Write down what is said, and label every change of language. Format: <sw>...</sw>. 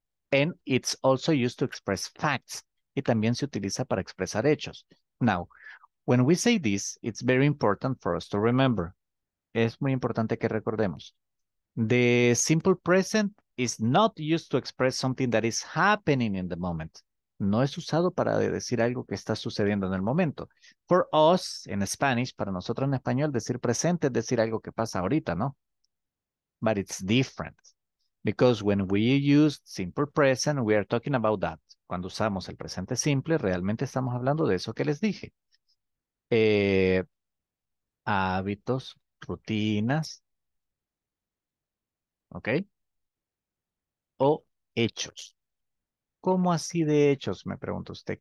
<en>And it's also used to express facts.</en> <es>Y también se utiliza para expresar hechos.</es> <en>Now, when we say this, it's very important for us to remember.</en> <es>Es muy importante que recordemos.</es> <en>The simple present is not used to express something that is happening in the moment.</en> <es>No es usado para decir algo que está sucediendo en el momento.</es> <en>For us, in Spanish,</en> <es>para nosotros en español, decir presente es decir algo que pasa ahorita, ¿no?</es> <en>But it's different. Because when we use simple present, we are talking about that.</en> <es>Cuando usamos el presente simple, realmente estamos hablando de eso que les dije. Hábitos, rutinas, ¿ok? O hechos. ¿Cómo así de hechos? Me pregunta usted.</es>